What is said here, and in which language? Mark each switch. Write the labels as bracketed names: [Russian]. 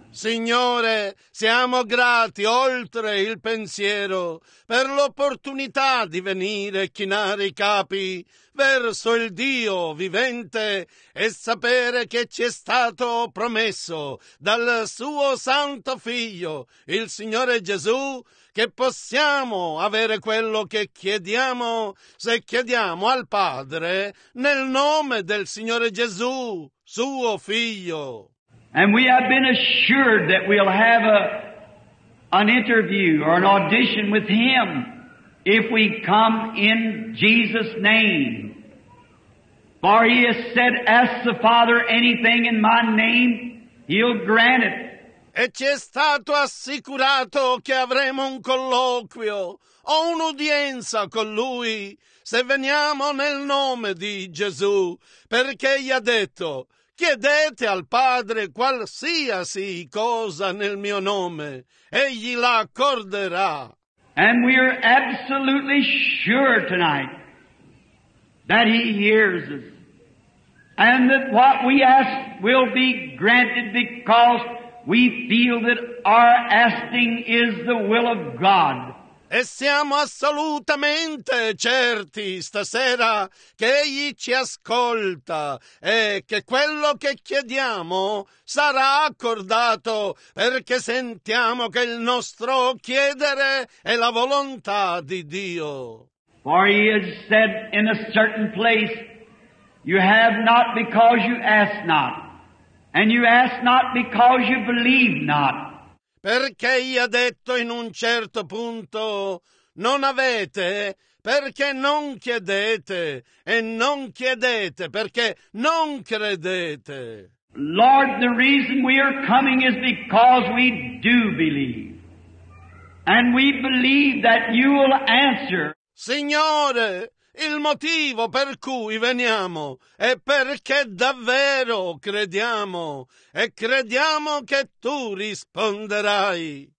[Italian] Signore, siamo grati oltre il pensiero per l'opportunità di venire a chinare i capi verso il Dio vivente e sapere che ci è stato promesso dal suo santo Figlio, il Signore Gesù, che possiamo avere quello che chiediamo se chiediamo al Padre nel nome del Signore Gesù, suo Figlio. [English] And we have been assured that we'll have an interview or an audition with Him if we come in Jesus' name. For He has said, ask the Father anything in my name, He'll grant it. [Italian] E ci è stato assicurato che avremo un colloquio o un'udienza con Lui se veniamo nel nome di Gesù, perché Gli ha detto, chiedete al Padre qualsiasi cosa nel mio nome, Egli la accorderà. [English] And we are absolutely sure tonight that He hears us and that what we ask will be granted because we feel that our asking is the will of God. [Italian] E siamo assolutamente certi stasera che Egli ci ascolta e che quello che chiediamo sarà accordato, perché sentiamo che il nostro chiedere è la volontà di Dio. [English] For He has said in a certain place, you have not because you ask not. And you ask not because you believe not. [Italian] Perché Gli ha detto in un certo punto, non avete perché non chiedete, e non chiedete perché non credete. [English] Lord, the reason we are coming is because we do believe. And we believe that You will answer. [Italian] Signore, il motivo per cui veniamo è perché davvero crediamo e crediamo che Tu risponderai.